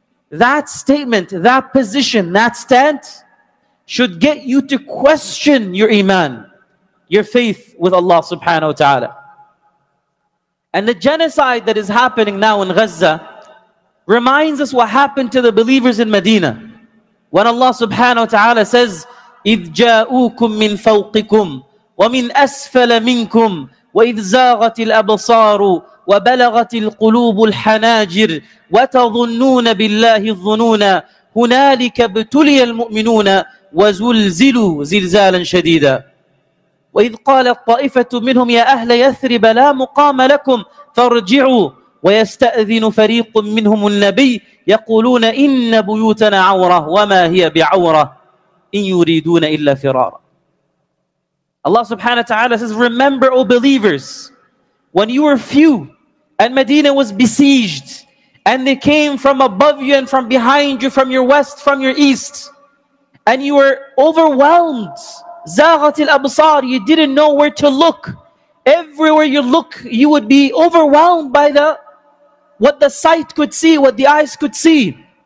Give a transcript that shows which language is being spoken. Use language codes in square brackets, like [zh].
[en] That statement, that position, that stance should get you to question your iman, your faith with Allah subhanahu wa ta'ala. And the genocide that is happening now in Gaza reminds us what happened to the believers in Medina. When Allah subhanahu wa ta'ala says, [ar] إِذْ جَاءُوكُمْ مِنْ فَوْقِكُمْ وَمِنْ أَسْفَلَ مِنْكُمْ وَإِذْ زَاغَتِ الْأَبْصَارُ وَبَلَغَتِ الْقُلُوبُ الْحَنَاجِرِ وَتَظُنُّونَ بِاللَّهِ الظُّنُونَ هُنَالِكَ بْتُلِيَ الْمُؤْمِنُونَ وَزُلْزِلُوا زِلْزَالًا شَدِيدًا وَإِذْ قَالَ الطَّائِفَةُ مِنْهُمْ يَا أَهْلَ يَثْرِبَ لَا مُقَامَ لَكُمْ فَارْجِعُوا وَيَسْتَأْذِنُ فَرِيقٌ مِنْهُمُ النَّبِيُّ يَقُولُونَ إِنَّ بُيُوتَنَا عَوْرَةٌ وَمَا هِيَ بِعَوْرَةٍ إِنْ يُرِيدُونَ إِلَّا فِرَارًا. [en] Allah subhanahu wa ta'ala says, remember, O believers, when you were few and Medina was besieged and they came from above you and from behind you, from your west, from your east, and you were overwhelmed. [ar] زاغت الأبصار, [en] you didn't know where to look. Everywhere you look, you would be overwhelmed by the what the sight could see, what the eyes could see.